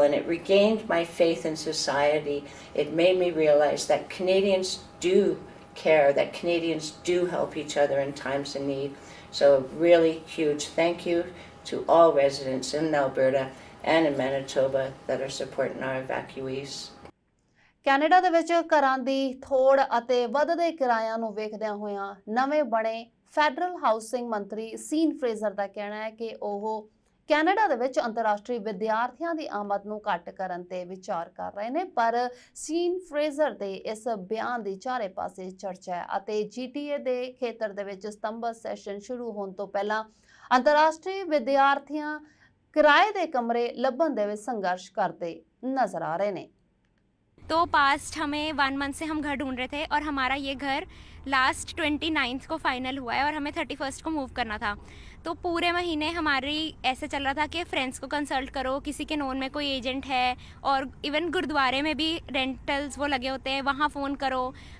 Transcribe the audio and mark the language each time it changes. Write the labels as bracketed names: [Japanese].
[English] And it regained my faith in society. It made me realize that Canadians do care, that Canadians do help each other in times of need. So really huge thank you to all residents in Alberta and in Manitoba that are supporting our evacuees. [Punjabi] Canada ਦੇ ਵਿੱਚ ਘਰਾਂ ਦੀ ਥੋੜ ਅਤੇ ਵੱਧਦੇ ਕਿਰਾਇਆਂ ਨੂੰ ਵੇਖਦਿਆਂ ਹੋਇਆਂ ਨਵੇਂ ਬਣੇ ਫੈਡਰਲ ਹਾਊਸਿੰਗ ਮੰਤਰੀ ਸੀਨ ਫਰੇਜ਼ਰ ਦਾ ਕਹਿਣਾ ਹੈ ਕਿ ਉਹ ਕੈਨੇਡਾ ਦੇ ਵਿੱਚ ਅੰਤਰਰਾਸ਼ਟਰੀ ਵਿਦਿਆਰਥੀਆਂ ਦੀ ਆਮਦ ਨੂੰ ਘੱਟ ਕਰਨ 'ਤੇ ਵਿਚਾਰ ਕਰ ਰਹੇ ਨੇ ਪਰ ਸੀਨ ਫਰੇਜ਼ਰ ਦੇ ਇਸ ਬਿਆਨ ਦੀ ਚਾਰੇ ਪਾਸੇ ਚਰਚਾ ਹੈ ਅਤੇ ਜੀ ਟੀ ਏ ਦੇ ਖੇਤਰ ਦੇ ਵਿੱਚ ਸਤੰਬਰ ਸੈਸ਼ਨ ਸ਼ੁਰੂ ਹੋਣ ਤੋਂ ਪਹਿਲਾਂ ਅੰਤਰਰਾਸ਼ਟਰੀ ਵਿਦਿਆਰਥੀਆਂ ਕਿਰਾਏ ਦੇ ਕਮਰੇ ਲੱਭਣ ਦੇ ਵਿੱਚ ਸੰਘਰਸ਼ ਕਰਦੇ ਨਜ਼ਰ ਆ ਰਹੇ ਨੇ [Hindi] तो पास्ट हमें वन मंथ से हम घर ढूंढ रहे थे और हमारा ये घर लास्ट 29th को फाइनल हुआ है और हमें 31st को मूव करना था. तो पूरे महीने हमारी ऐसे चल रहा था कि फ्रेंड्स को कंसल्ट करो, किसी के नोन में कोई एजेंट है, और इवन गुरुद्वारे में भी रेंटल्स वो लगे होते हैं, वहाँ फ़ोन करो.